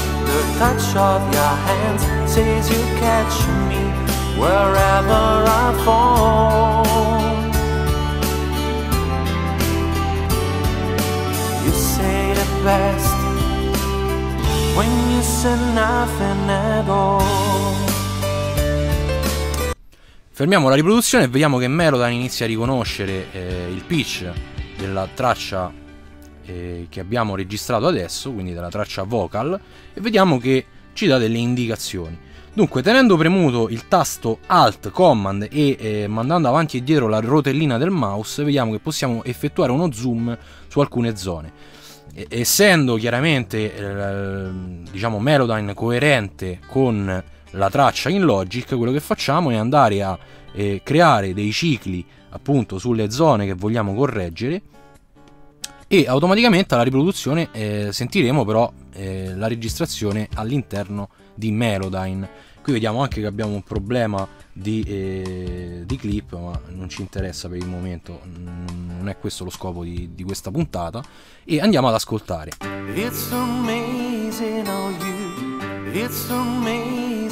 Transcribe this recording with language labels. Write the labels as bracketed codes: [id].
[en] The touch of your hands says you catch me wherever I fall. You say the best when you say nothing at all. [it] Fermiamo la riproduzione e vediamo che Melodyne inizia a riconoscere il pitch della traccia che abbiamo registrato adesso, quindi della traccia vocal, e vediamo che ci dà delle indicazioni. Dunque, tenendo premuto il tasto Alt Command e mandando avanti e dietro la rotellina del mouse, vediamo che possiamo effettuare uno zoom su alcune zone. Essendo chiaramente diciamo Melodyne coerente con la traccia in Logic, quello che facciamo è andare a creare dei cicli appunto sulle zone che vogliamo correggere, e automaticamente alla riproduzione sentiremo però la registrazione all'interno di Melodyne. Qui vediamo anche che abbiamo un problema di clip, ma non ci interessa per il momento, non è questo lo scopo di questa puntata, e andiamo ad ascoltare. [en] It's amazing how you, it's amazing.